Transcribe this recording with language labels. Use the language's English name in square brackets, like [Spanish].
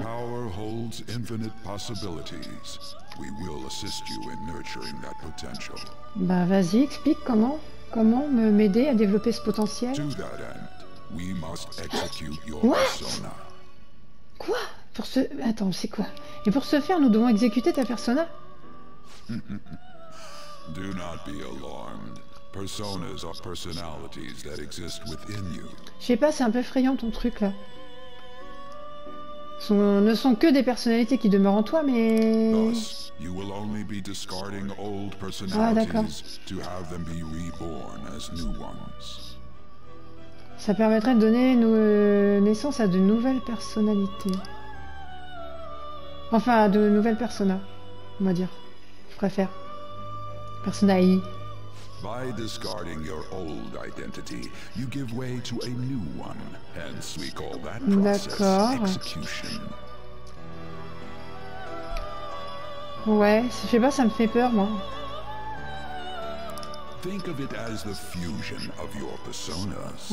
[English] That power holds infinite possibilities. We will assist you in nurturing that potential. [French] Bah vas-y, explique comment. Comment m'aider à développer ce potentiel ? [English] We must execute your persona. [French] Quoi ? Pour ce... Attends, c'est quoi ? Et pour ce faire, nous devons exécuter ta persona ? [English] Do not be alarmed. Personas are personalities that exist within you. [French] Je sais pas, c'est un peu effrayant ton truc là. Ne sont que des personnalités qui demeurent en toi, mais... [English] Thus, you will only be discarding old personalities. [French] Ah, d'accord. [English] To have them be reborn as new ones. [French] Ça permettrait de donner naissance à de nouvelles personnalités. Enfin, à de nouvelles personas, on va dire. Je préfère. Personaï. [English] By discarding your old identity, you give way to a new one. Hence, we call that process [French] D'accord. [English] Execution. [French] Ouais, je sais pas, ça me fait peur, moi. [English] Think of it as the fusion of your personas.